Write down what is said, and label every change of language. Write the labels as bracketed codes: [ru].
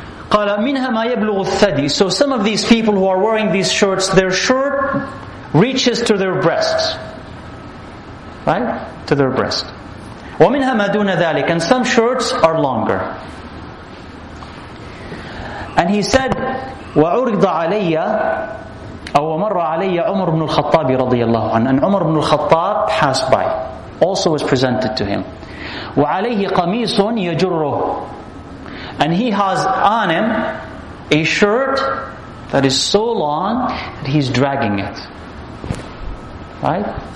[ar] قَالَ مِنْهَا مَا يَبْلُغُ الثَّدِي. [en] So some of these people who are wearing these shirts, their shirt reaches to their breasts. Right? To their breast. [ar] وَمِنْهَا مَا دُونَ ذَلِكَ. [en] And some shirts are longer. And he said, [ar] وَعُرِضَ عَلَيَّ أَوْ مَرَّ عَلَيَّ عُمَرُ بْنُ الْخَطَّابِ رَضِيَ اللَّهُ عَنْهُ. [en] And Umar ibn al-Khattab passed by, also was presented to him. [ar] وَعَلَيْهِ قَمِيصٌ يَجُرُّهُ. [en] And he has on him a shirt that is so long that he's dragging it. Right?